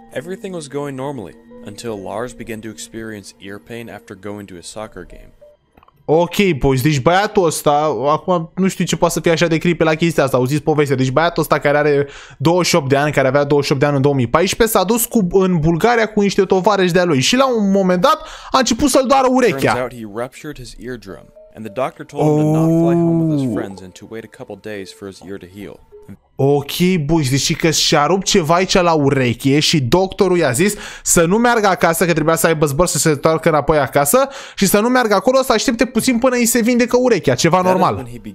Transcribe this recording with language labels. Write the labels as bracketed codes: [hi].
[en] Everything was going normally until Lars began to experience ear pain after going to a soccer game. [ro] Ok, boys, deci băiatul ăsta, acum nu știu ce poate să fie așa de creepy la chestia asta, auziți povestea. Deci băiatul ăsta care are 28 de ani, care avea 28 de ani în 2014, s-a dus în Bulgaria cu niște tovarăși de-a lui și la un moment dat a început să-l doară urechea. [en] Turns out he ruptured his eardrum. And the doctor told him to not fly home with his friends and to wait a couple days for his ear to heal. [ro] Ok, boys, zici că și-a rupt ceva aici la ureche și doctorul i-a zis să nu meargă acasă, că trebuia să aibă zbor să se întoarcă înapoi acasă și să nu meargă acolo, să aștepte puțin până îi se vindecă urechea, ceva normal.